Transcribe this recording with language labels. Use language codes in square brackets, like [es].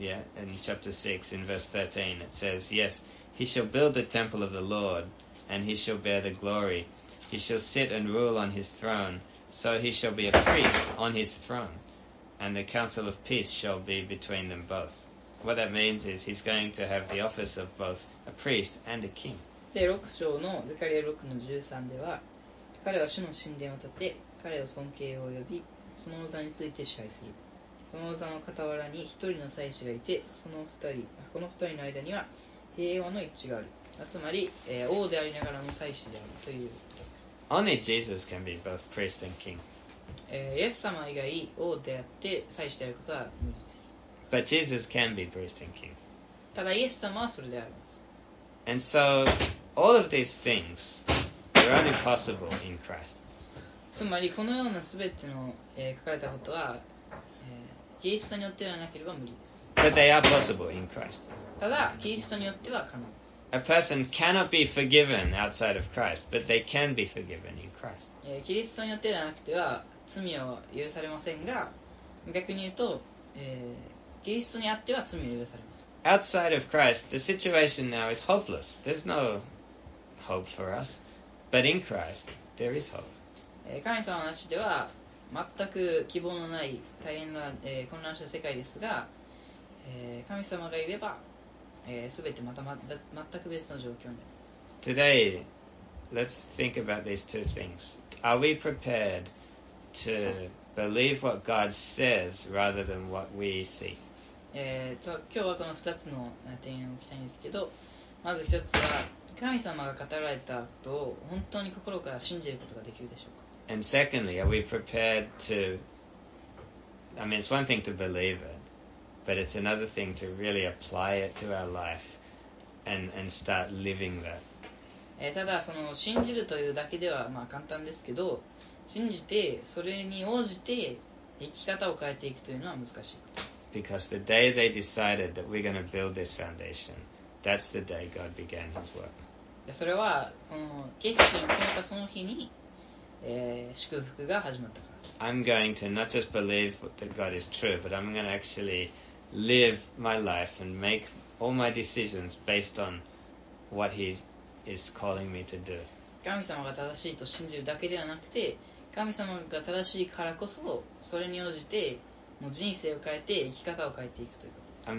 [en] yeah, in chapter 6, in verse 13, it says, yes, he shall build the temple of the Lord, and he shall bear the glory. He shall sit and rule on his throne, so he shall be a priest on his throne, and the council of peace shall be between them both. What that means is he's going to have the office of both a priest and a king. [ja] で、6章のゼカリア6の13では、彼は主の神殿を建て、彼を尊敬を呼び、その座について支配する。その座の傍らに一人の祭司がいて、その二人、この二人の間には平和の一致がある。つまり、王でありながらの祭司であるということです。 [en] Only Jesus can be both priest and king. [ja] イエス様以外、王であって祭司であることは無理です。 [en] But Jesus can be priest and king. [ja] ただイエス様はそれであります。 [en] And so, all of these things are only possible in Christ. [ja] つまり、このようなすべての、書かれたことは、キリストによってはなければ無理です。 [en] But they are possible in Christ. [ja] ただ、キリストによっては可能です。 [en] A person cannot be forgiven outside of Christ, but they can be forgiven in Christ. [ja] キリストによってではなくては罪は許されませんが、逆に言うと、キリストにあっては罪は許されます。 [en] Outside of Christ, the situation now is hopeless. There's no hope for us. But in Christ, there is hope. [ja] 神様なしでは全く希望のない大変な、混乱した世界ですが、神様がいれば、全てまた全く別の状況になります。 [en] Today, let's think about these two things. Are we prepared to believe what God says rather than what we see? [ja] 今日はこの2つの点を聞きたいんですけど、まず1つは神様が語られたことを本当に心から信じることができるでしょうか。 [en] And secondly, are we prepared to I mean, it's one thing to believe it, but it's another thing to really apply it to our life and start living that. [ja] ただその信じるというだけではまあ簡単ですけど、信じてそれに応じて生き方を変えていくというのは難しいことです。 [en] Because the day they decided that we're going to build this foundation, that's the day God began His work. [ja] それはこの決心を決めたその日に、祝福が始まったからです。 [en] I'm going to not just believe that God is true, but I'm going to actually live my life and make all my decisions based on what He is calling me to do. [ja] 神様が正しいと信じるだけではなくて、神様が正しいからこそそれに応じて。もう人生を変えて生き方を変えていくということです。